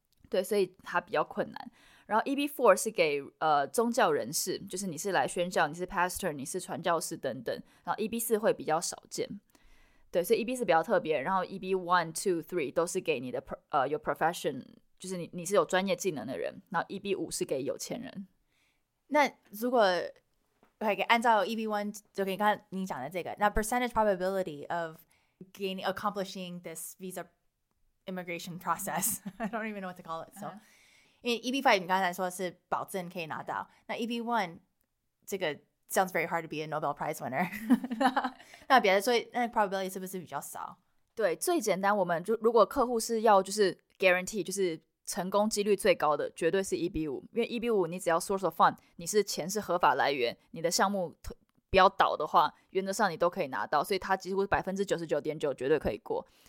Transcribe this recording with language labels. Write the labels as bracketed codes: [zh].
[zh] 对所以他比较困难 然后EB4 是给 宗教人士 就是你是来宣教 你是pastor 你是传教士等等 然后EB4 会比较少见 对所以EB4比较特别 然后EB1 2 3 都是给你的 your profession 就是你是有专业技能的人 然后EB5 是给有钱人 [en] 那如果 okay, [zh] 按照EB1 就给你刚才你讲的这个 那 [en] percentage probability of gaining, accomplishing this visa immigration process I don't even know what to call it so uh-huh. [zh] 因为EB5你刚才说是保证可以拿到 那EB1这个 [en] sounds very hard to be a Nobel Prize winner. [zh] 那别的所以那 probability 是不是比较少？对，最简单，我们就如果客户是要就是 guarantee 就是成功几率最高的，绝对是一比五，因为一比五你只要 source of fund， 你是钱是合法来源，你的项目不要倒的话，原则上你都可以拿到，所以它几乎是 99.9% 绝对可以过。